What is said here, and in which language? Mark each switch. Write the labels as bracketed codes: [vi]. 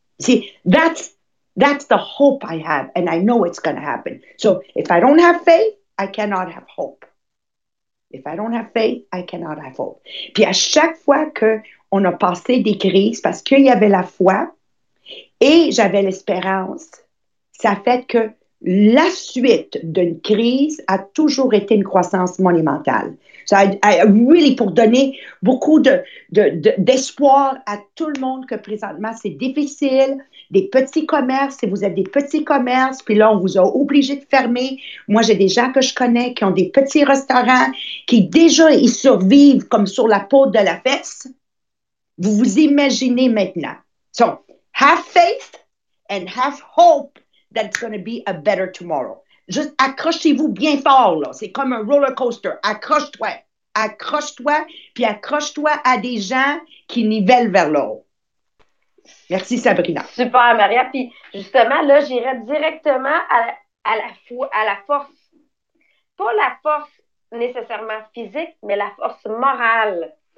[en] See, that's the hope I have, and I know it's going to happen. So, if I don't have faith, I cannot have hope. If I don't have faith, I cannot have hope. [fr] Puis à chaque fois qu'on a passé des crises, parce qu'il y avait la foi et j'avais l'espérance, ça fait que la suite d'une crise a toujours été une croissance monumentale. [en] So I really, [fr] pour donner beaucoup d'espoir à tout le monde que présentement c'est difficile, des petits commerces, si vous êtes des petits commerces, puis là on vous a obligé de fermer. Moi j'ai des gens que je connais qui ont des petits restaurants, qui déjà ils survivent comme sur la peau de la fesse. Vous vous imaginez maintenant. [en] So, have faith and have hope that it's going to be a better tomorrow. [fr] Juste accrochez-vous bien fort, là. C'est comme un roller coaster. Accroche-toi. Accroche-toi, puis accroche-toi à des gens qui nivellent vers le haut. Merci, Sabrina. Super, Maria. Puis justement, là, j'irai directement à la force. Pas la force nécessairement physique, mais la force morale.